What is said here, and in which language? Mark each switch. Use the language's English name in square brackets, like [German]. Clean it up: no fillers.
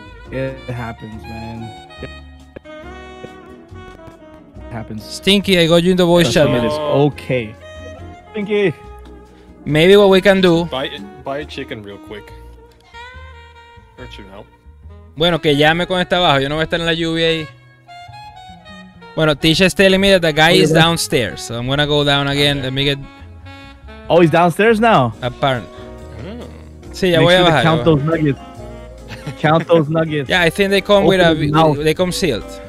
[English] It happens, man. Stinky, I got you in the voice chat. It is okay. Stinky. Maybe what we can do. Buy a chicken real quick. Hurt you help. [Spanish] Bueno, que llame cuando está abajo. Yo no voy a estar en la lluvia ahí. [English] Bueno, Tisha is telling me that the guy is downstairs. So I'm gonna go down again. Okay. Let me get. Oh, he's downstairs now? Apparently. [Spanish] Sí, ya voy a bajar. [English] Count those nuggets. Count those nuggets. Yeah, I think they come with a. They come sealed.